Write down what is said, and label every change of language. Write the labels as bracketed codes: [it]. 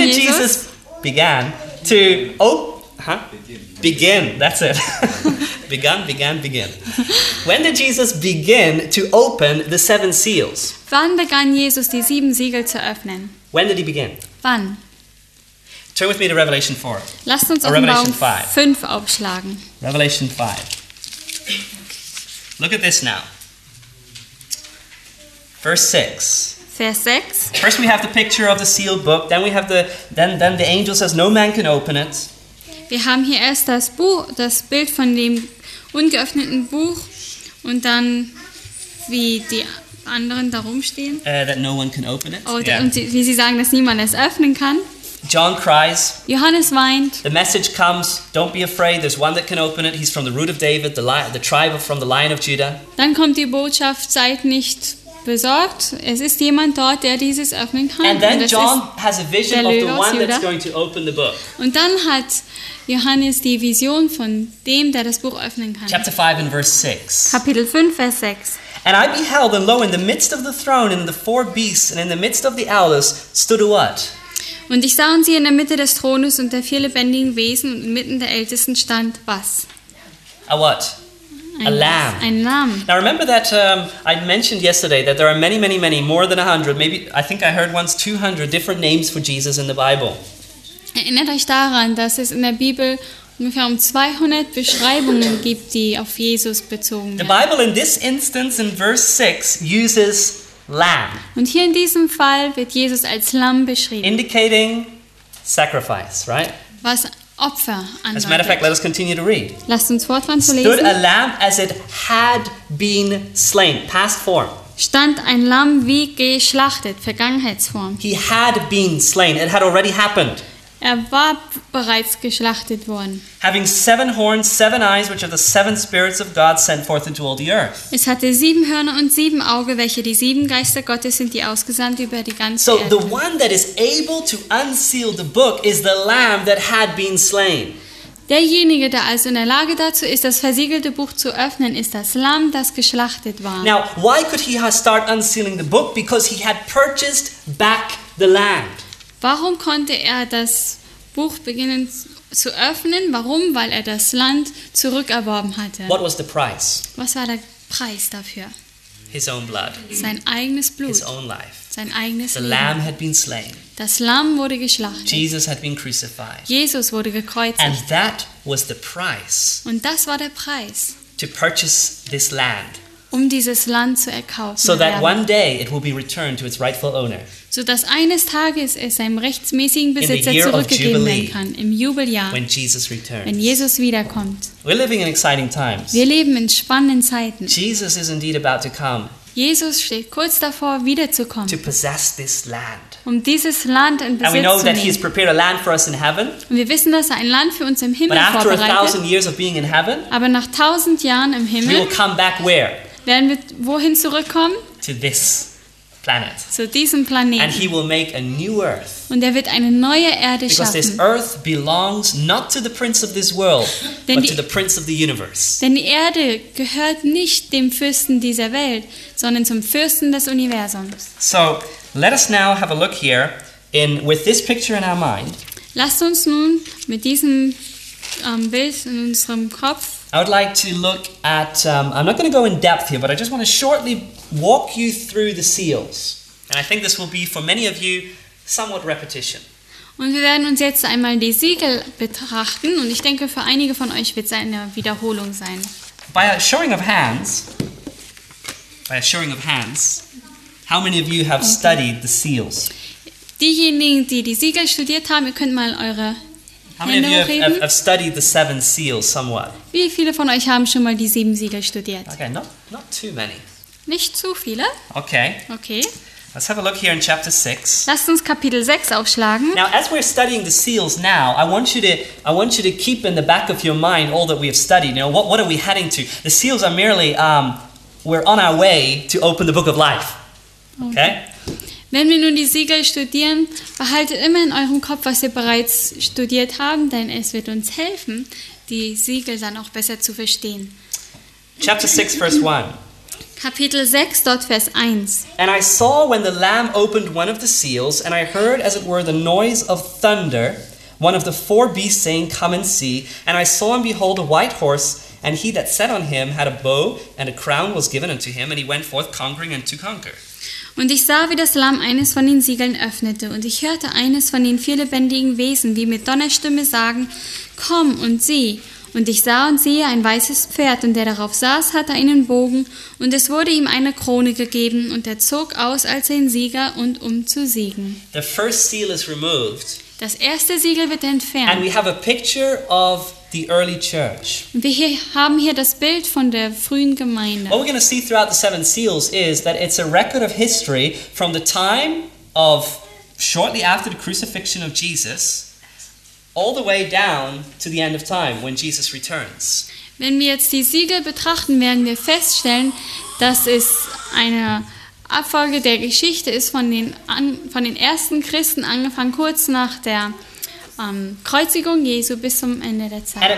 [en] Jesus? When did Jesus begin to begin? That's it. Begun. When did Jesus begin to open the seven seals? [de] Wann begann Jesus die sieben Siegel zu öffnen? [en] When did he begin? [de] Wann? [en] Turn with me to Revelation 4. [de] Lasst uns Offenbarung 5 aufschlagen. [en] Revelation 5. Look at this now. Verse 6. First we have the picture of the sealed book, then we have then the angel says no man can open it. [de] Wir haben hier erst das Buch, das Bild von dem ungeöffneten Buch und dann wie die anderen da rumstehen. [en] That no one can open it. Oh, yeah. [de] Und wie sie sagen, dass niemand es öffnen kann. [en] John cries. [de] Johannes weint. [en] The message comes, don't be afraid, there's one that can open it. He's from the root of David, the tribe from the line of Judah. [de] Dann kommt die Botschaft, seid nicht besorgt. Es ist jemand dort, der dieses öffnen kann. [en] And then John has a vision of the one that's going to open the book. [de] Und dann hat Johannes die Vision von dem, der das Buch öffnen kann. [en] Chapter 5 and verse 6. [de] Kapitel 5, Vers 6. [en] And I beheld, and lo, in the midst of the throne, and the four beasts, and in the midst of the elders, stood a what? [de] Und ich sah und sie in der Mitte des Thrones und der vier lebendigen Wesen und inmitten der Ältesten stand was? [en] A what? A lamb. [de] Ein Lamm. [en] Now remember that I mentioned yesterday that there are many, many, many, more than 100, maybe I think I heard once 200 different names for Jesus in the Bible. [de] Erinnert euch daran, dass es in der Bibel ungefähr 200 Beschreibungen gibt, die auf Jesus bezogen werden. [en] The Bible in this instance in verse 6 uses lamb. [de] Und hier in diesem Fall wird Jesus als Lamm beschrieben. [en] Indicating sacrifice, right? [de] Was Opfer andeutet. [en] As a matter of fact, let us continue to read. [de] Lasst uns fortfahren zu lesen. [en] Stood a lamb as it had been slain. Past form. [de] Stand ein Lamm wie geschlachtet. Vergangenheitsform. [en] He had been slain. It had already happened. [de] Er war bereits geschlachtet worden. [en] Having seven horns, seven eyes, which are the seven spirits of God sent forth into all the earth. [de] Es hatte sieben Hörner und sieben Augen, welche die sieben Geister Gottes sind, die ausgesandt über die ganze [en] so [de] Erde. [en] So the one that is able to unseal the book is the lamb that had been slain. [de] Derjenige, der also in der Lage dazu ist, das versiegelte Buch zu öffnen, ist das Lamm, das geschlachtet war. [en] Now, why could he start unsealing the book? Because he had purchased back the land. [de] Warum konnte er das Buch beginnen zu öffnen? Warum? Weil er das Land zurückerworben hatte. [en] What was the price? [de] Was war der Preis dafür? [en] His own blood. [de] Sein eigenes Blut. [en] His own life. [de] Sein eigenes [en] the [de] Leben. [en] Lamb had been slain. [de] Das Lamm wurde geschlachtet. [en] Jesus had been crucified. [de] Jesus wurde gekreuzigt. [en] And that was the price. [de] Und das war der Preis. [en] To purchase this land. [de] Um dieses Land zu erkaufen. [en] So that one day it will be returned to its rightful owner. [de] So dass eines Tages es seinem rechtsmäßigen Besitzer zurückgegeben werden kann, im Jubeljahr, [en] when Jesus returns. [de] Wenn Jesus wiederkommt. [en] We're living in exciting times. [de] Wir leben in spannenden Zeiten. [en] Jesus is indeed about to come. [de] Jesus steht kurz davor, wiederzukommen, [en] to possess this land. [de] Um dieses Land in Besitz zu nehmen. [en] And we know that he has prepared a land for us in heaven. [de] Und wir wissen, dass er ein Land für uns im Himmel [en] but [de] vorbereitet. [en] After 1,000 years of being in heaven, [de] aber nach 1,000 Jahren im Himmel, [en] we will come back where? [de] Werden wir wohin zurückkommen? [en] To this planet. [de] Zu diesem Planeten. [en] And he will make a new earth. [de] Und er wird eine neue Erde [en] because [de] schaffen. [en] Because this earth belongs not to the prince of this world, but to the prince of the universe. [de] Denn die Erde gehört nicht dem Fürsten dieser Welt, sondern zum Fürsten des Universums. [en] So, let us now have a look here in with this picture in our mind. [de] Lasst uns nun mit diesem Bild in unserem Kopf. [en] I would like to look at, I'm not going to go in depth here, but I just want to shortly walk you through the seals. And I think this will be for many of you somewhat repetition. [de] Und wir werden uns jetzt einmal die Siegel betrachten und ich denke für einige von euch wird es eine Wiederholung sein. [en] By a showing of hands, how many of you have okay. studied the seals? [de] Diejenigen, die die Siegel studiert haben, ihr könnt mal eure [en] How many of you have studied the seven seals somewhat? [de] Wie viele von euch haben schon mal die sieben Siegel studiert? [en] Okay, not too many. [de] Nicht zu viele. [en] Okay. Let's have a look here in chapter 6. [de] Lasst uns Kapitel 6 aufschlagen. [en] Now, as we're studying the seals now, I want you to keep in the back of your mind all that we have studied. You know, what are we heading to? The seals are merely we're on our way to open the book of life. Okay? [de] Wenn wir nun die Siegel studieren, behaltet immer in eurem Kopf, was wir bereits studiert haben, denn es wird uns helfen, die Siegel dann auch besser zu verstehen. [en] Chapter 6, verse 1. [de] Kapitel 6, dort Vers 1. [en] And I saw when the Lamb opened one of the seals, and I heard as it were the noise of thunder, one of the four beasts saying, come and see. And I saw and behold a white horse, and he that sat on him had a bow, and a crown was given unto him, and he went forth conquering and to conquer. [de] Und ich sah, wie das Lamm eines von den Siegeln öffnete, und ich hörte eines von den vier lebendigen Wesen, wie mit Donnerstimme sagen, komm und sieh. Und ich sah und sehe ein weißes Pferd, und der darauf saß, hatte einen Bogen, und es wurde ihm eine Krone gegeben, und er zog aus als ein Sieger und um zu siegen. [en] The first seal is removed. [de] Das erste Siegel wird entfernt. [en] And we have a picture of the early church. [de] Wir haben hier das Bild von der frühen Gemeinde. [en] What we're going to see throughout the seven seals is that it's a record of history from the time of shortly after the crucifixion of Jesus all the way down to the end of time when Jesus returns. [de] Wenn wir jetzt die Siegel betrachten, werden wir feststellen, dass es eine Abfolge der Geschichte ist von den ersten Christen angefangen kurz nach der Kreuzigung Jesu bis zum Ende der Zeit.